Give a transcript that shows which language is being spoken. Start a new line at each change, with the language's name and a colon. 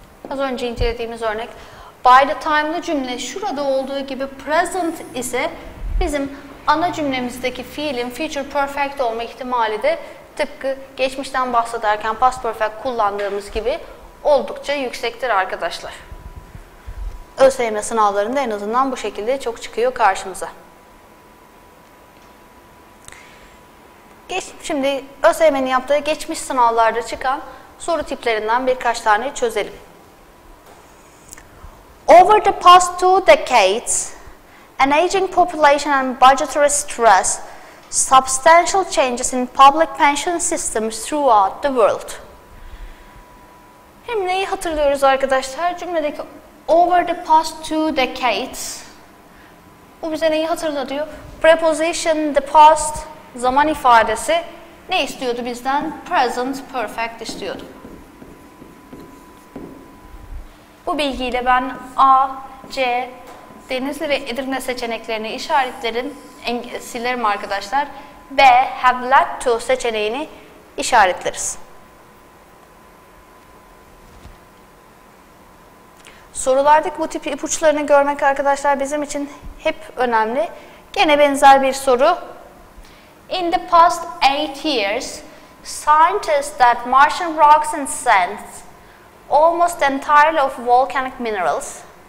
Turkish: Az önce incelediğimiz örnek by the time'lı cümle şurada olduğu gibi present ise bizim ana cümlemizdeki fiilin future perfect olma ihtimali de tıpkı geçmişten bahsederken past perfect kullandığımız gibi oldukça yüksektir arkadaşlar. ÖSYM sınavlarında en azından bu şekilde çok çıkıyor karşımıza. şimdi ÖSYM'nin yaptığı geçmiş sınavlarda çıkan soru tiplerinden birkaç tane çözelim.
English: Over the past two decades, an aging population and budgetary stress, substantial changes in public pension systems throughout the world.
Turkish: Hem neyi hatırlıyoruz arkadaşlar? Cümledeki
English: over the past two decades,
Turkish: bu bize neyi hatırlatıyor? Preposition, the past, zaman ifadesi ne istiyordu bizden? Present perfect istiyordu. Bu bilgiyle ben A, C, Denizli ve Edirne seçeneklerini işaretlerim, silerim arkadaşlar. B, have led to seçeneğini işaretleriz. Sorulardaki bu tip ipuçlarını görmek arkadaşlar bizim için hep önemli. Gene benzer bir soru.
English: In the past 8 years, scientists that Martian rocks and sands almost entirely of volcanic minerals.